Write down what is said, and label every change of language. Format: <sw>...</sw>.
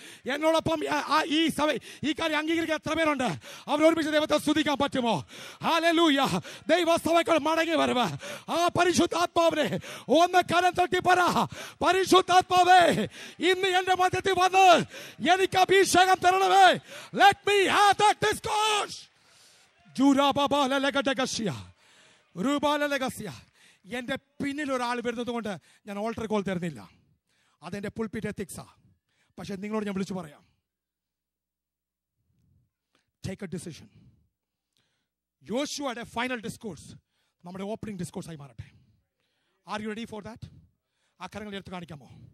<ml>എന്നോടൊപ്പം ഈ സഭ ഈ കാര്യം അംഗീകരിക്കാൻ എത്ര പേരുണ്ട്? അവരൊരുമിച്ച് ദൈവത്തെ സ്തുതിക്കാൻ പറ്റുമോ? ഹല്ലേലൂയ. ദൈവസഭയ്ക്ക് മടങ്ങി വരവ്. ആ പരിശുദ്ധാത്മാവിനെ ഒന്ന് കരം തട്ടി പറ. പരിശുദ്ധാത്മാവേ, ഇന്ന് എന്റെ മധ്യത്തിൽ വന്ന് എനിക്ക് അഭിഷേകം തരണമേ.</ml> <en>Let me have that discourse. ജൂരാബാബാലലഗഡഗസ്യ രൂപാലലഗസ്യ.</en> <ml>എന്റെ പിന്നിൽ ഒരാൾ വരുന്നത് കൊണ്ട് ഞാൻ ഓൾട്ടർ കോൾ തരുന്നില്ല. അതെന്റെ പുൾപിറ്റ് എത്തിക്സാ. പക്ഷെ നിങ്ങളോട് ഞാൻ വിളിച്ചു പറയാം,</ml> <en>Take a decision.</en> <ml>യോശുവയുടെ ഫൈനൽ ഡിസ്കോഴ്സ് നമ്മുടെ ഓപ്പണിംഗ് ഡിസ്കോഴ്സ് ആയി മാറട്ടെ.</ml> <en>Are you ready for that?</en> <ml>അക്കരങ്ങൾ എടുത്ത് കാണിക്കാമോ?</ml>